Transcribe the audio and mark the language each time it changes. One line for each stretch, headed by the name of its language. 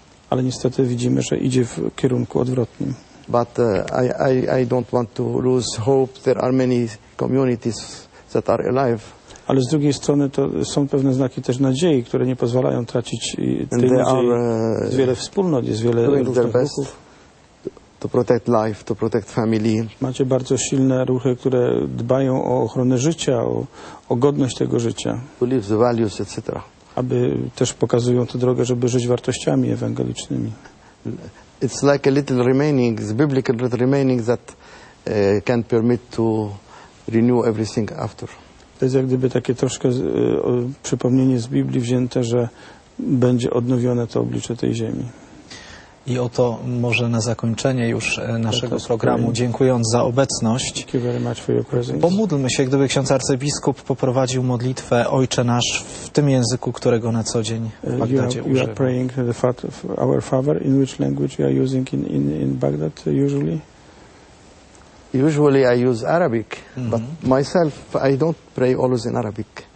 Polish: Ale niestety widzimy, że idzie w kierunku odwrotnym.
English: But I don't want to lose hope. There are many communities that are alive.
Polish: Ale z drugiej strony to są pewne znaki też nadziei, które nie pozwalają tracić tej nadziei. Jest wiele wspólnot, jest wiele różnych ruchów.
English: To protect life, to protect family.
Polish: Macie bardzo silne ruchy, które dbają o ochronę życia, o godność tego życia.
English: To live the values, etc.
Polish: Aby też pokazują tę drogę, żeby żyć wartościami ewangelicznymi.
English: It's like a little remaining, the biblical little remaining that can permit to renew everything after.
Polish: To jest jak gdyby takie troszkę przypomnienie z Biblii wzięte, że będzie odnowione to oblicze tej ziemi. I oto może na zakończenie już naszego programu, dziękując za obecność.
English: Thank you very much for your presence.
Polish: Pomódlmy się, gdyby ksiądz arcybiskup poprowadził modlitwę Ojcze Nasz w tym języku, którego na co dzień w Bagdadzie używamy.
English: You are praying the Our Father, in which language you are using in Baghdad usually? Usually I use Arabic, but myself I don't pray always in Arabic.